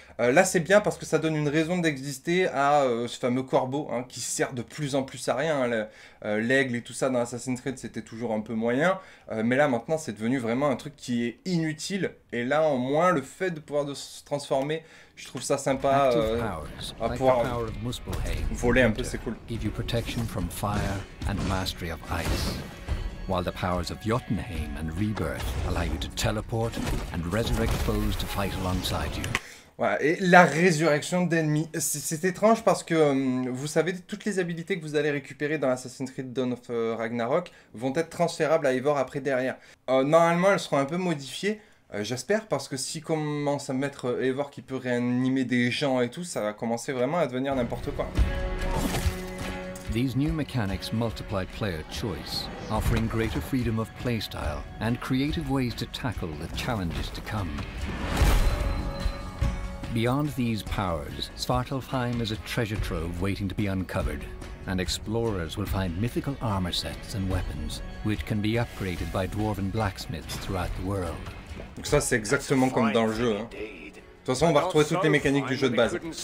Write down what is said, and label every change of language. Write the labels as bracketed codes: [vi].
[fr] Là c'est bien parce que ça donne une raison d'exister à ce fameux corbeau, hein, qui sert de plus en plus à rien. Hein, l'aigle et tout ça dans Assassin's Creed, c'était toujours un peu moyen. Mais là maintenant, c'est devenu vraiment un truc qui est inutile. Et là, au moins, le fait de pouvoir se transformer, je trouve ça sympa. À pouvoir voler un peu, c'est cool. [en] Give you protection from fire and mastery of ice. While the powers of Jotunheim and Rebirth allow you to teleport and resurrect foes to fight alongside you. [fr] Voilà, et la résurrection d'ennemis. C'est étrange parce que, vous savez, toutes les habilités que vous allez récupérer dans Assassin's Creed Dawn of Ragnarok vont être transférables à Eivor après derrière. Normalement, elles seront un peu modifiées, j'espère, parce que si commence à mettre Eivor qui peut réanimer des gens et tout, ça va commencer vraiment à devenir n'importe quoi. [en] These new mechanics multiply player choice, offering greater freedom of playstyle and creative ways to tackle the challenges to come. Beyond these powers, Svartalfheim is a treasure trove waiting to be uncovered, and explorers will find mythical armor sets and weapons, which can be upgraded by dwarven blacksmiths throughout the world. [fr] Donc ça, c'est exactement comme dans le jeu. Hein. De toute façon, on va retrouver toutes les mécaniques du jeu de base.